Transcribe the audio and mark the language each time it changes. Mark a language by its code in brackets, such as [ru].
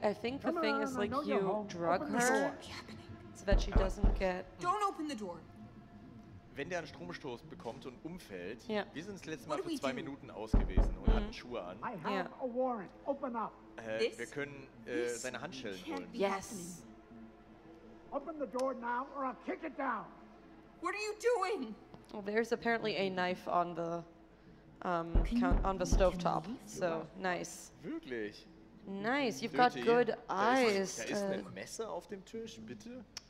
[en] I think the thing is like you drug her so that she doesn't get... Don't open the door. [de] Wenn der einen Stromstoß bekommt und umfällt, [en] yeah. [de] wir sind das letzte Mal für zwei Minuten aus gewesen und hatten Schuhe an. Wir können seine Handschellen holen. [en] Yes. Open the door now or I'll kick it down. What are you doing? Well, there's apparently a knife on the on the stovetop. So nice. [de] Wirklich? [en] Nice. You've got good eyes. [de] Da ist ein Messer auf dem Tisch, bitte.